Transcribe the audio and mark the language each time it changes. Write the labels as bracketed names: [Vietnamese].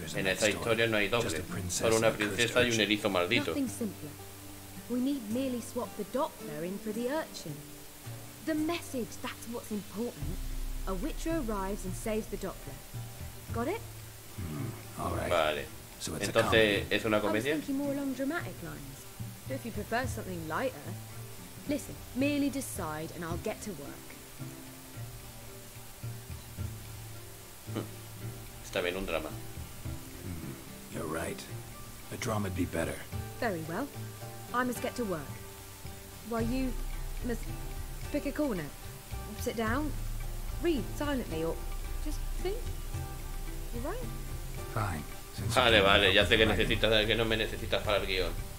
[Spanish] En esta historia no hay Doppler, solo una princesa y un erizo maldito. [English] We need merely swap the Doppler in for the urchin. The message, that's what's important. A witcher arrives and saves the Doppler. Got it? All right. [Spanish] Vale. [English] So it's [Spanish] entonces, ¿es una comedia? [English] I was thinking more along dramatic lines. But if you prefer something lighter. Listen, merely decide and I'll get to work. [Spanish] Está bien, un drama. [English] You're right. A drama'd be better. Very well. I must get to work. While you must pick a corner, sit down, read silently, or just think. You right? Fine. [Spanish] Vale, vale. Ya sé que necesitas, que no me necesitas para el guión.